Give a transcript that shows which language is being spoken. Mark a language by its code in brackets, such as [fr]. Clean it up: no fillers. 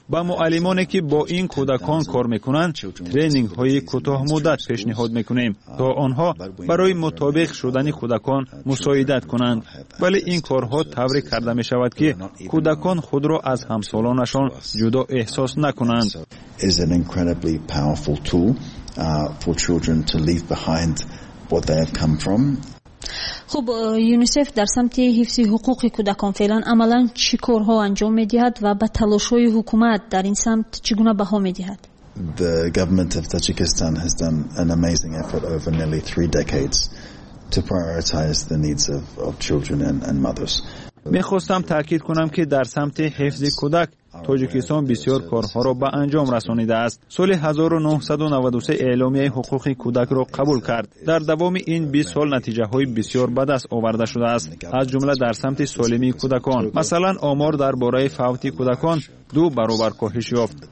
[fa] با معلمانی که با این کودکان کار میکنند ترینینگ های کوتاه مدت پیشنهاد میکنیم تا آنها برای مطابق شدن کودکان مساعدت کنند. ولی این کارها طوری کرده میشود که کودکان خود را از همسالانشان جدا احساس نکنند. [en] Is an incredibly powerful tool for children to leave behind what they have come from. [fa] خب یونیسف در سمت حفظ حقوق کودکان فعلا عملا چی کارها انجام میدهد و به تلاش های حکومت در این سمت چگونه بها میدهد؟ [en] The government of Tajikistan has done an amazing effort over nearly 3 decades to prioritize the needs of children and mothers. [fa] میخواستم تاکید کنم که در سمت حفظ کودک تاجیکستان بسیار کارها را به انجام رسانیده است. سال 1993 اعلامیه حقوق کودک را قبول کرد. در دوام این 20 سال نتیجه های بسیار به دست آورده شده است. از جمله در سمت سالمی کودکان. مثلا آمار در باره فوت کودکان 2 برابر کاهش یافت.